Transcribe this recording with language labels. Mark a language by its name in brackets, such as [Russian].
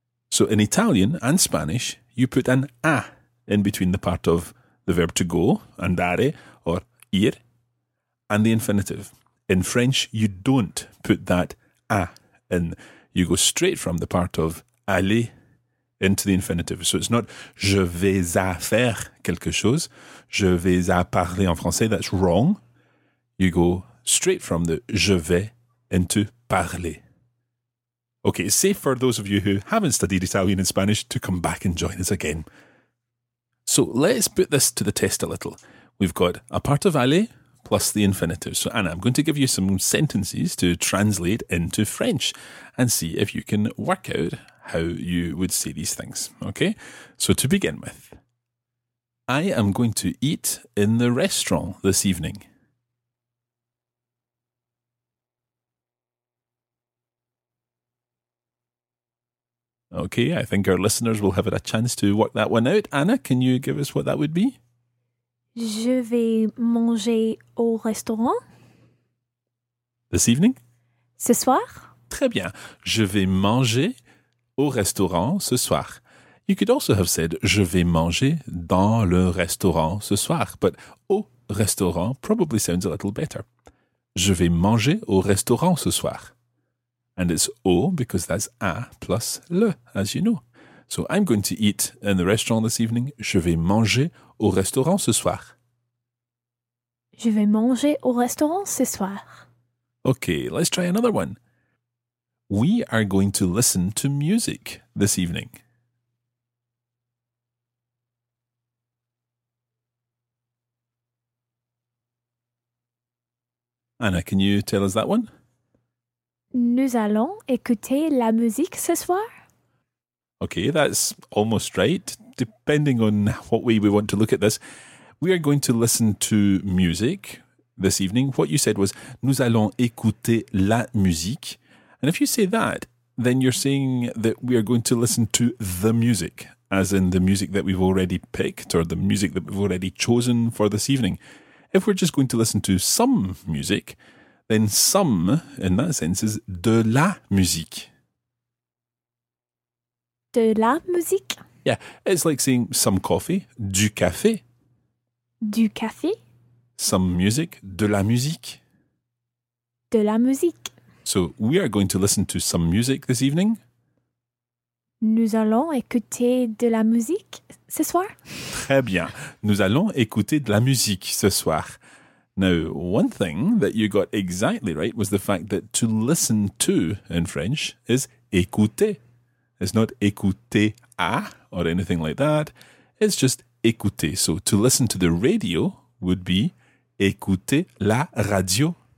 [English] So in Italian and Spanish, you put an a in between the part of the verb to go, andare, or ir, and the infinitive. In French, you don't put that a in. You go straight from the part of aller into the infinitive. So it's not [French] je vais à faire quelque chose, je vais à parler en français. [English] That's wrong. You go straight from the je vais into parler. Okay, it's safe for those of you who haven't studied Italian and Spanish to come back and join us again. So let's put this to the test a little. We've got a part of aller plus the infinitive. So, Anna, I'm going to give you some sentences to translate into French and see if you can work out how you would say these things. Okay? So, to begin with, I am going to eat in the restaurant this evening. Okay, I think our listeners will have a chance to work that one out. Anna, can you give us what that would be? [French] Je vais manger au restaurant. [English] This evening? [French] Ce soir? Très bien. Je vais manger au restaurant ce soir. [English] You could also have said, [French] je vais manger dans le restaurant ce soir. [English] But [French] au restaurant [English] probably sounds a little better. [French] Je vais manger au restaurant ce soir. [English] And it's au because that's à plus le, as you know. So I'm going to eat in the restaurant this evening. [French] Je vais manger au restaurant ce soir. Je vais manger au restaurant ce soir. [English] Okay, let's try another one. We are going to listen to music this evening. Anna, can you tell us that one? [French] Nous allons écouter la musique ce soir. [English] Okay, that's almost right. Depending on what way we want to look at this, we are going to listen to music this evening. What you said was, [French] nous allons écouter la musique. [English] And if you say that, then you're saying that we are going to listen to the music, as in the music that we've already picked or the music that we've already chosen for this evening. If we're just going to listen to some music, then some, in that sense, is [French] de la musique. De la musique? [English] Yeah, it's like saying some coffee, [French] du café. Du café? [English] Some music, [French] de la musique. De la musique. [English] So we are going to listen to some music this evening. [French] Nous allons écouter de la musique ce soir. Très bien. Nous allons écouter de la musique ce soir. [English] Now, one thing that you got exactly right was the fact that to listen to in French is écouter. It's not écouter à or anything like that. It's just écouter. So to listen to the radio would be [French] écouter la radio.